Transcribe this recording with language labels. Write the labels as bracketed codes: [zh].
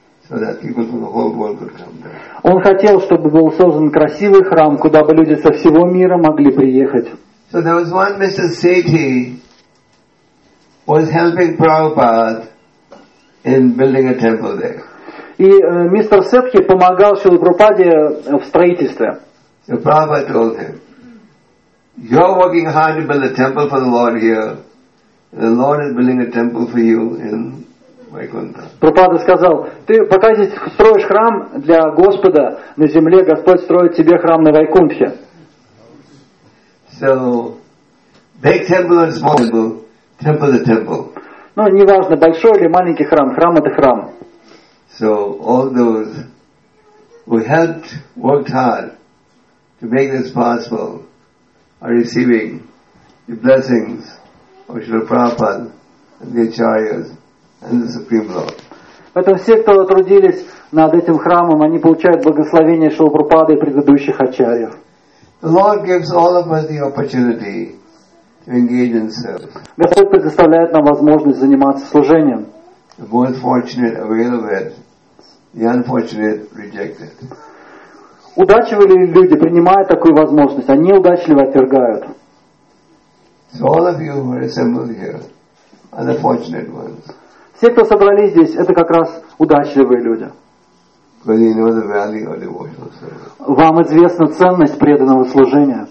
[ru] Он хотел, чтобы был создан красивый храм, куда бы люди со всего мира могли приехать. И мистер Сетхи помогал Шриле Прабхупаде в строительстве. [en] So Prabhupada told him, "You're working hard to build a temple for the Lord here, and the Lord is building a temple for you in Vaikuntha." [ru] Prabhupada сказал, "Ты пока здесь строишь храм для Господа на земле, Господь строит тебе храм на Вайкунтхе." [en] So, big temple or small temple, temple is temple. [ru] Ну, неважно, большой или маленький храм, храм это храм. [en] So, all those who helped, worked hard to make this possible are receiving the blessings of Srila Prabhupada Vichayas and the Supreme Lord. [ru] Поэтому все, кто трудились над этим храмом, они получают благословение Шрилы Прабхупады и предыдущих ачарьев. [en] The Lord gives all of us the opportunity to engage in service. [ru] Господь предоставляет нам возможность заниматься служением. [en] The most fortunate avail of it, the unfortunate reject it. [ru] Удачливые люди принимают такую возможность, а неудачливые отвергают. [en] So all of you who are assembled here are the fortunate ones. [ru] Все, кто собрались здесь, это как раз удачливые люди. [en] Because you know the value of devotional service. [ru] Вам известна ценность преданного служения.